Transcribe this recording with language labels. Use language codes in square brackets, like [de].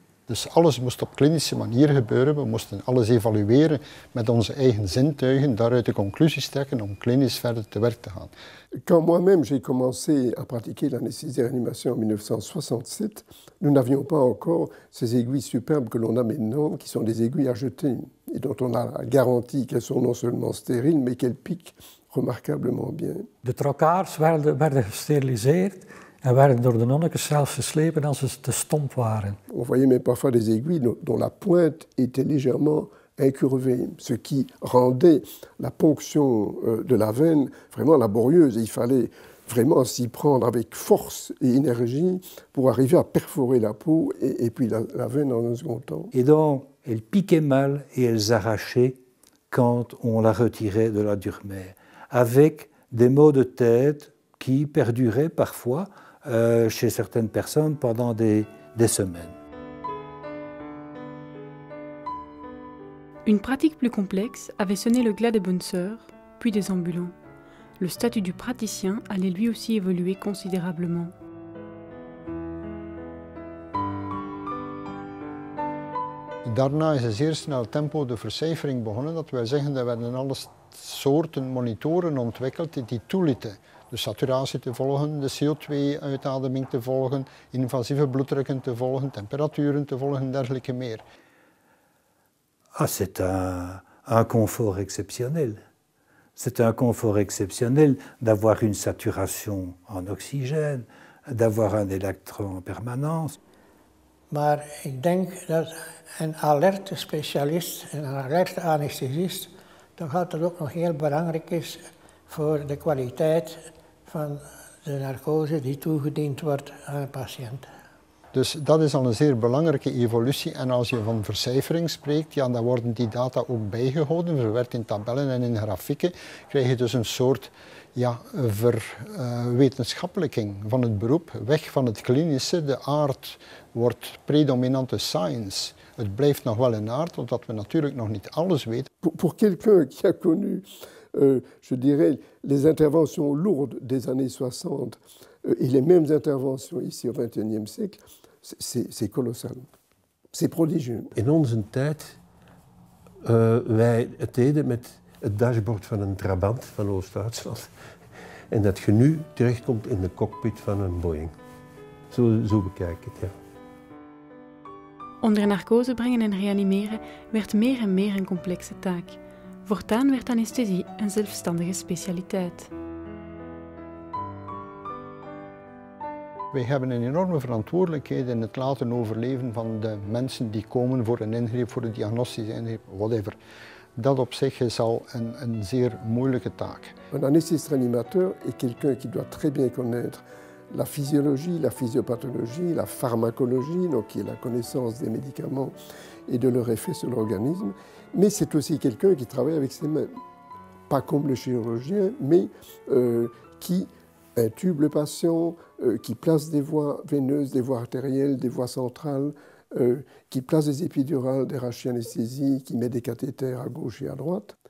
[nl] Dus alles moest op klinische manier gebeuren. We moesten alles evalueren met onze eigen zintuigen, daaruit de conclusies trekken om klinisch verder te werk te gaan. [fr] Quand moi-même j'ai commencé à pratiquer l'anesthésie réanimation en 1967, nous n'avions pas encore ces aiguilles superbes que l'on a maintenant, qui sont des aiguilles à jeter et dont on a garanti qu'elles sont non seulement stériles, mais qu'elles piquent remarquablement bien. [nl] De trocars werden gesteriliseerd. En werden door de nonnekes zelfs geslepen als ze te stomp waren. [fr] On voyait même parfois des aiguilles dont la pointe était légèrement incurvée, ce qui rendait la ponction de la veine vraiment laborieuse. Il fallait vraiment s'y prendre avec force et énergie pour arriver à perforer la peau et puis la veine en un second temps. Et donc, elles piquaient mal et elles arrachaient quand on la retirait de la durmère, avec des maux de tête qui perdurait parfois chez certaines personnes pendant des semaines. Une pratique plus complexe avait sonné le glas des bonnes sœurs, puis des ambulants. Le statut du praticien allait lui aussi évoluer considérablement. [nl] Daarna is een zeer snel tempo de vercijfering begonnen. Dat wil zeggen, er werden alle soorten monitoren ontwikkeld die toelieten de saturatie te volgen, de CO2-uitademing te volgen, invasieve bloeddrukken te volgen, temperaturen te volgen en dergelijke meer. [fr] Ah, c'est un confort exceptionnel. C'est un confort exceptionnel d'avoir une saturation en oxygène, d'avoir un électron en permanence. [nl] Maar ik denk dat een alerte specialist, een alerte anesthesist, toch altijd ook nog heel belangrijk is voor de kwaliteit van de narcose die toegediend wordt aan een patiënt. Dus dat is al een zeer belangrijke evolutie. En als je van vercijfering spreekt, ja, dan worden die data ook bijgehouden, verwerkt in tabellen en in grafieken. Krijg je dus een soort verwetenschappelijking van het beroep, weg van het klinische. De aard wordt predominante science. Het blijft nog wel een aard, omdat we natuurlijk nog niet alles weten. [fr] Voor quelqu'un qui a connu, je dirais, les interventions lourdes des années 60 et les mêmes interventions ici au XXIe siècle, c'est colossal. C'est prodigieux. [nl] In onze tijd, wij het deden met het dashboard van een Trabant van Oost-Duitsland. En dat je nu terechtkomt in de cockpit van een Boeing. Zo bekijk ik het, ja. Onder narcose brengen en reanimeren werd meer en meer een complexe taak. Voortaan werd anesthesie een zelfstandige specialiteit. Wij hebben een enorme verantwoordelijkheid in het laten overleven van de mensen die komen voor een ingreep, voor de diagnostische ingreep, whatever. dat op zich is al een zeer moeilijke taak. [fr] Een anesthésiste-réanimateur is quelqu'un qui doit très bien connaître la physiologie, la physiopathologie, la pharmacologie, donc qui est la connaissance des médicaments et de leur effet sur l'organisme. Mais c'est aussi quelqu'un qui travaille avec ses mains, pas comme le chirurgien, mais qui intube le patient, qui place des voies veineuses, des voies artérielles, des voies centrales, qui place des épidurales, des rachis anesthésiques, qui met des cathéters à gauche et à droite.